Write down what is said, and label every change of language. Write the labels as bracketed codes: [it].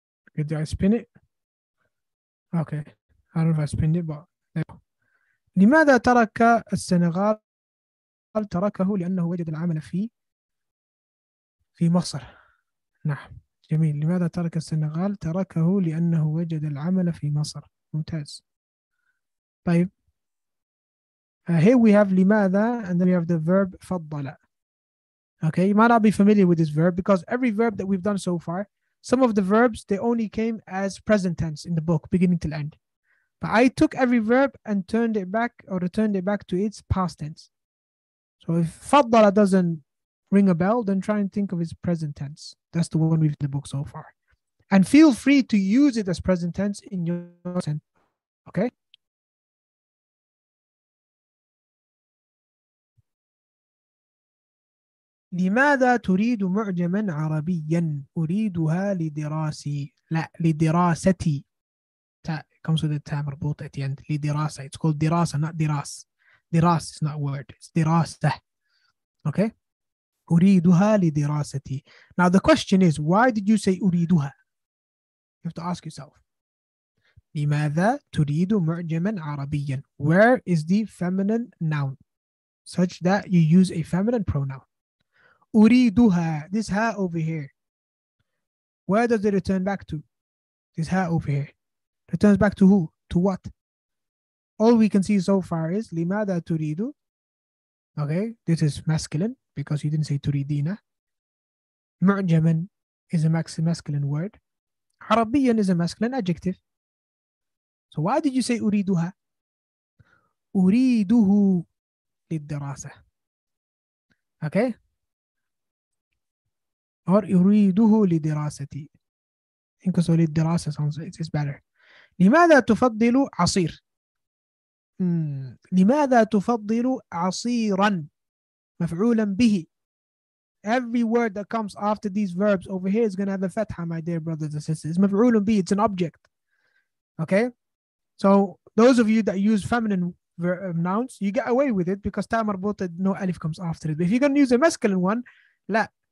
[en] Okay, did I spin it? Okay. I don't know if I spinned it, but there. [ar] لماذا ترك السنغال تركه لأنه وجد العمل في مصر. نعم. جميل. لماذا ترك السنغال تركه لأنه وجد العمل في مصر. ممتاز. طيب. [en] Here we have لماذا and then we have the verb فضل. Okay, you might not be familiar with this verb because every verb that we've done so far, some of the verbs, they only came as present tense in the book, beginning till end. But I took every verb and turned it back or returned it back to its past tense. So if فضل doesn't ring a bell, then try and think of its present tense. That's the one we've in the book so far. And feel free to use it as present tense in your sentence. Okay? [ar] لماذا تريد معجما عربيا؟ أريدها لدراسي. لا لدراستي. [en] Comes with the ta مربوط at the end. [ar] لدراسة. [en] It's called دراسة, not دراس. دراس is not a word. It's [ar] دراسة. Okay. أريدها لدراستي. [en] Now the question is, why did you say أريدها? You have to ask yourself. [ar] لماذا تريد معجما عربيا؟ [en] Where is the feminine noun such that you use a feminine pronoun? أريدها, this ها over here. Where does it return back to? This ها over here. Returns back to who? To what? All we can see so far is [ar] لماذا تريد. [en] Okay, this is masculine because you didn't say تريدين. معجما is a masculine word. عربيا is a masculine adjective. So why did you say أريدها? [ar] أريده للدراسة. Okay? Or أريده لدراستي. [en] I think so [ar] للدراسة [en] sounds it is better. [ar] لماذا تفضل عصير؟ لماذا تفضل عصيرا؟ مفعولا به. [en] Every word that comes after these verbs over here is going to have a fatha, my dear brothers and sisters. مفعولا به, it's an object. Okay? So those of you that use feminine nouns, you get away with it because تامر بوطد no alif comes after it. But if you're going to use a masculine one, لا.